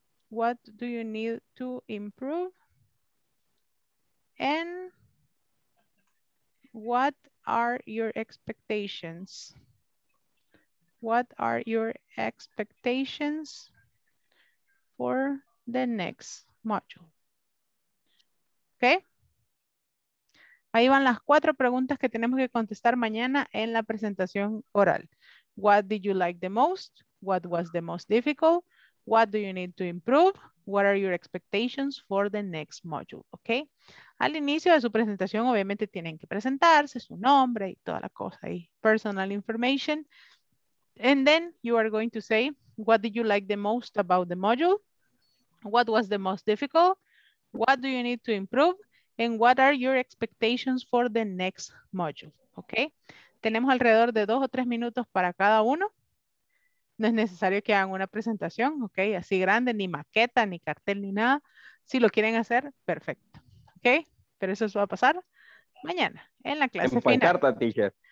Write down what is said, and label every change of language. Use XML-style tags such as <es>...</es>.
<en>What do you need to improve? And what are your expectations? What are your expectations for the next module? Okay.</en> <es>Ahí van las cuatro preguntas que tenemos que contestar mañana en la presentación oral.</es> <en>What did you like the most? What was the most difficult? What do you need to improve? What are your expectations for the next module? Okay.</en> <es>Al inicio de su presentación, obviamente tienen que presentarse, su nombre y toda la cosa ahí,</es> <en>personal information. And then you are going to say, what did you like the most about the module? What was the most difficult? What do you need to improve? And what are your expectations for the next module? Okay.</en> <es>Tenemos alrededor de 2 o 3 minutos para cada uno. No es necesario que hagan una presentación, ok, así grande, ni maqueta, ni cartel, ni nada. Si lo quieren hacer, perfecto, ok. Pero eso va a pasar mañana, en la clase final. En pancarta, teacher.</es>